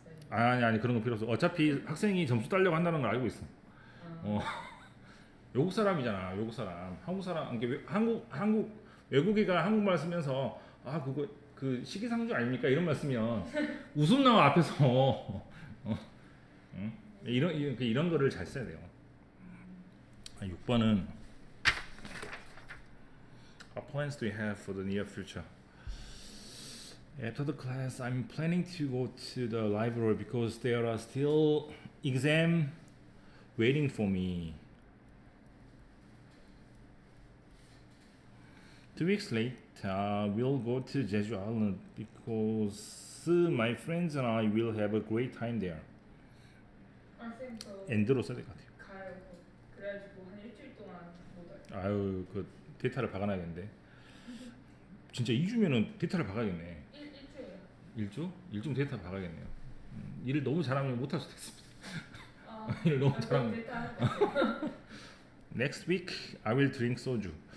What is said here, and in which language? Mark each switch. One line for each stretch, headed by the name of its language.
Korean: 아니 그런 거 필요 없어. 어차피 학생이 점수 따려고 한다는 걸 알고 있어. 외국 사람이잖아. 외국 사람. 한국 사람. 한국 외국인가 한국말 쓰면서 아 그거 그 시기상조 아닙니까? 이런 말 쓰면 웃음 나와 앞에서. 이런 거를 잘 써야 돼요. 아, 6번은
English: What plans do you have for the near future? After the class, I'm planning to go to the library because there are still exam waiting for me. 2 weeks later, we'll go to Jeju Island because my friends and I will have a great time there.
Korean: End로 써야 될 것 같아요. 그래가지고 한 일주일 동안 못 와요. 아유, 그 데이터를 박아놔야겠는데. 진짜 2주면은 데이터를 박아야겠네. 일주? 일주 데이터 박아야겠네요. 일을 너무 잘하면 못할 수도 있습니다. 일을 너무 잘하면.
English: Next week, I will drink soju.